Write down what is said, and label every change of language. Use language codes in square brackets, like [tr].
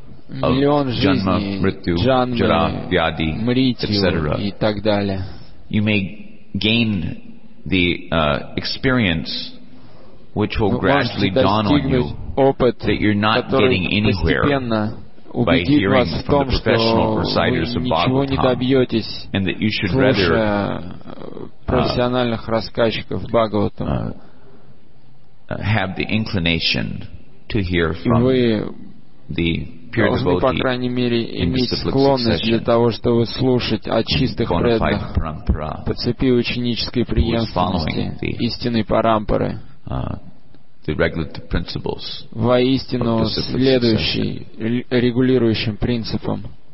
[ru] джанма, мритю, джара, вяди, мритью и так далее. [en] You may gain the experience which will gradually dawn on you [ru] опыт, [en] that you're not getting anywhere by hearing from the professional reciters of Bhagavatam, and that you should rather have the inclination to hear from the pure devotee in [ru] склонность для того, чтобы слушать о чистых преданных по цепи ученической преемственности истинной парампары, воистину следующий регулирующим принципом.